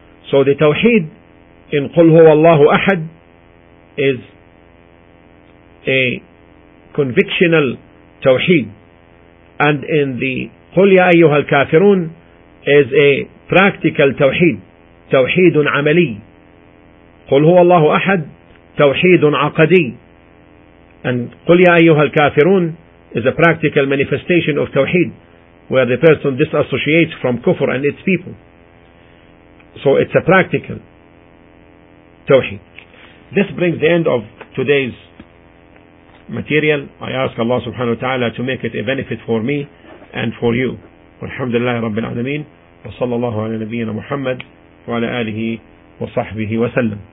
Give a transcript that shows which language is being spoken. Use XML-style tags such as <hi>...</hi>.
<en>So the tawheed in</en> <ar>قُلْ هُوَ اللَّهُ أَحَدْ</ar> <en>is a convictional tawheed, and in the</en> <ar>قُلْ يَا أَيُّهَا الْكَافِرُونَ</ar> <en>is a practical tawheed,</en> <ar>توحيد عملي. قل هو الله أحد توحيد عقدي.</ar> <en>And</en> <ar>قل يا أيها الكافرون</ar> <en>is a practical manifestation of توحيد, where the person disassociates from كفر and its people. So it's a practical توحيد. This brings the end of today's material. I ask Allah subhanahu wa ta'ala to make it a benefit for me and for you.</en> <ar>والحمد لله رب العالمين, وصلى الله على نبينا محمد وعلى آله وصحبه وسلم.</ar>